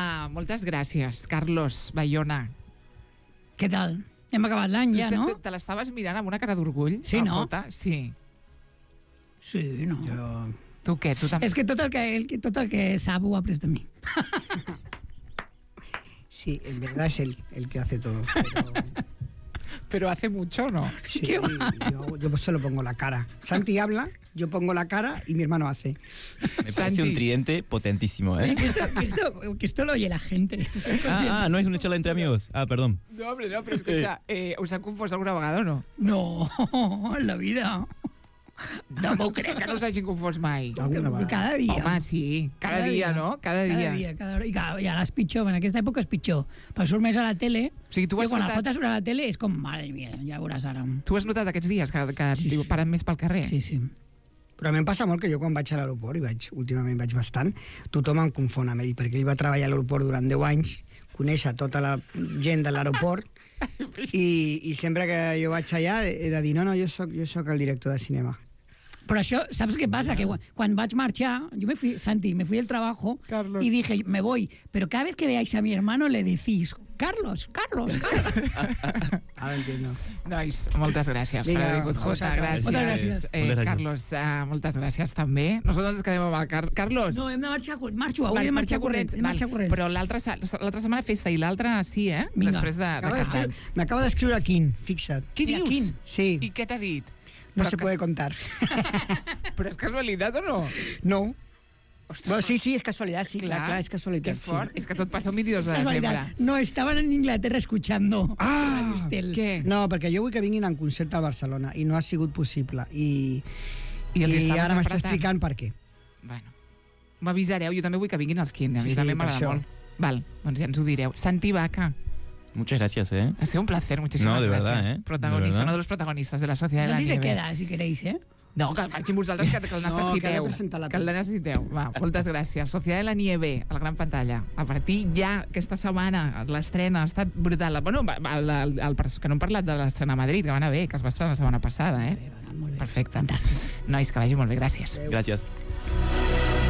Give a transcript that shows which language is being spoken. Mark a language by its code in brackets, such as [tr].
[ca] Moltes gràcies, Carlos Bayona. Què tal? Hem acabat l'any, ja, no? Te l'estaves mirant amb una cara d'orgull? Sí, no? Sí. Sí, no. Tu què? Tu també? És que tot el que sap ho ha après de mi. [es] Sí, en verdad es el que hace todo. Pero hace mucho, ¿no? Sí, yo solo pongo la cara. Santi habla, yo pongo la cara y mi hermano hace. Me parece Santi. Un tridente potentísimo, ¿eh? Que esto lo oye la gente. Ah, no es una charla entre amigos. Ah, perdón. No, hombre, no, pero escucha, ¿os han [ca] confós alguna vegada [es] o no? No, en la vida. [ca] No m'ho crec, que no us hagin confós mai. Cada dia. Home, sí. Cada dia, no? Cada dia. I ara és pitjor, en aquesta època és pitjor. Però surt més a la tele, o sigui, tu i quan la fotes a la tele és com, mare mia, ja ho veuràs ara. Tu has notat aquests dies que paren més pel carrer? Sí, sí. Però a mi em passa molt que jo quan vaig a l'aeroport, últimament vaig bastant, tothom em confona, m'he dit, perquè ell va treballar a l'aeroport durant 10 anys, conèixer tota la gent de l'aeroport... I sempre que jo vaig allà he de dir, jo sóc el director de cinema. Però això, saps què passa? Que quan vaig marxar, jo [es] me fui, Santi, me fui del trabajo, Carlos. Y dije, me voy. Pero cada vez que veáis a mi hermano le decís, Carlos. Ara entiendo. [ca] Nois, moltes gràcies. Vinga, per haver vingut, Jota. Moltes gràcies. Carlos, moltes gràcies també. Nosaltres ens quedem amb el Carlos. No, hem de marxar, marxo corrents. Però l'altra setmana festa i l'altra sí, eh? Vinga. Després de Cajal. M'acaba d'escriure a Quim, fixa't. Què dius? Quim. Sí. I què t'ha dit? [es] No se puede contar. ¿Pero es casualidad o no? No. Ostres, bueno, sí, es casualidad, sí, clar, es casualidad. [ca] Qué fort, sí. Es que tot passa un 22 de desembre. [es] No, estaban en Inglaterra escuchando. Ah! ¿Qué? [ca] No, perquè jo vull que vinguin en concert a Barcelona i no ha sigut possible. I ara m'està explicant per què. Bueno, m'avisareu, jo també vull que vinguin els Kinder, sí, a mi també m'agrada molt. Val, doncs ja ens ho direu. Santi Baca. [es] Muchas gracias, ¿eh? Ha sido un placer, muchísimas gracias. No, de verdad, ¿eh? Protagonista, uno de los protagonistas de La Sociedad de la Nieve. Santi se queda, si queréis, ¿eh? [ca] No, que marxin vosaltres, que el necessiteu. Que el necessiteu. Va, moltes gràcies. Sociedad de la Nieve, a la gran pantalla. A partir ja, aquesta setmana, l'estrena ha estat brutal. Bueno, que no hem parlat de l'estrena a Madrid, que va anar bé, que es va estrenar la setmana passada, ¿eh? Perfecte. Fantàstic. Nois, que vagi molt bé. Gràcies. Gràcies.